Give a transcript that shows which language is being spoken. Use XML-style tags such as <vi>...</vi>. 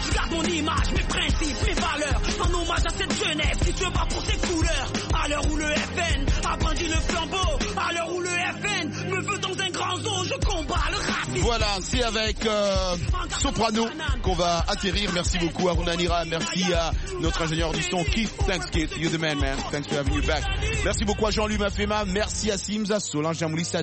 <fr>Mon image, mes principes, mes valeurs, en hommage à cette jeunesse qui se bat pour ses couleurs. À l'heure où le FN a brandi le flambeau, à l'heure où le FN me veut dans un grand zoo, je combats le racisme. Voilà, c'est avec Soprano qu'on va atterrir. Merci beaucoup à Runa Nira, merci à notre ingénieur du son Keith.</fr> <en>Thanks Keith, you're the man man, thanks for having you back.</en> <fr>Merci beaucoup à Jean-Louis Mafema, merci à Sims, à Solange Jamoulissa.</fr>